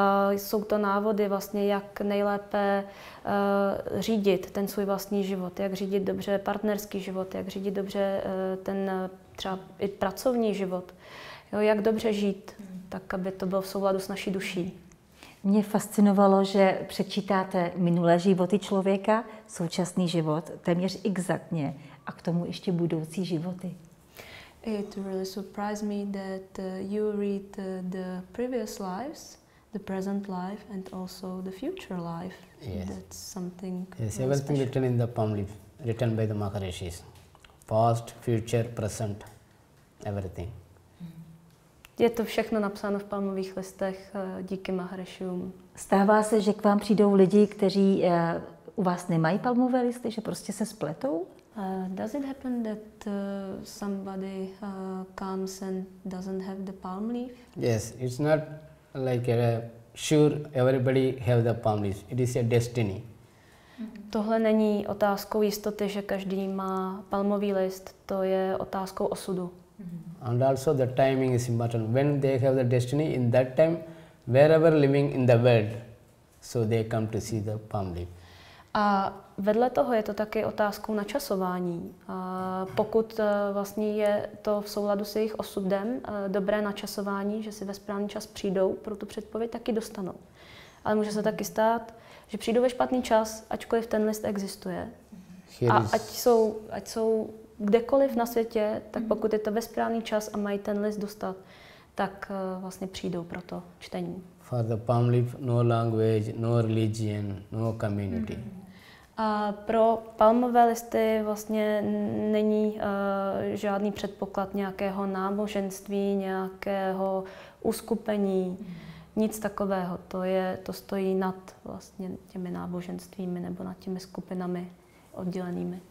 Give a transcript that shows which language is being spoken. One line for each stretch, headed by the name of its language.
Czech: Jsou to návody vlastně, jak nejlépe řídit ten svůj vlastní život, jak řídit dobře partnerský život, jak řídit dobře ten třeba i pracovní život. Jo, jak dobře žít, tak aby to bylo v souladu s naší duší. Mě fascinovalo, že přečítáte minulé životy člověka, současný život, téměř exaktně, a k tomu ještě budoucí životy.
English: It really surprised me that you read the previous lives, the present life and also the future life. Yes. That's something. Yes, everything written in the palm leaf, written by the Maharishis. Past, future, present, everything.
Czech: Je to všechno napsáno v palmových listech díky Maharishům. Stává se, že k vám přijdou lidi, kteří u vás nemají palmové listy, že prostě se spletou?
English: Does it happen that somebody comes and doesn't have the palm leaf? Yes, it's not like sure everybody have the palm leaf. It is a destiny.
Czech: Tohle není otázkou jistoty, že každý má palmový list, to je otázkou osudu.
English: And also the timing is important. When they have the destiny, in that time, wherever living in the world, so they come to see the palm leaf.
Czech: A vedle toho je to také otázkou načasování. Pokud vlastně je to v souladu s jejich osudem, dobré načasování, že si ve správný čas přijdou pro tu předpověď, taky dostanou. Ale může se taky stát, že přijdou ve špatný čas, ačkoliv ten list existuje. A ať jsou kdekoliv na světě, tak pokud je to ve správný čas a mají ten list dostat, tak vlastně přijdou pro to čtení.
English: For the palm leaf, no language, no religion, no community.
Czech: A pro palmové listy vlastně není žádný předpoklad nějakého náboženství, nějakého uskupení, nic takového. To stojí nad vlastně těmi náboženstvími nebo nad těmi skupinami oddělenými.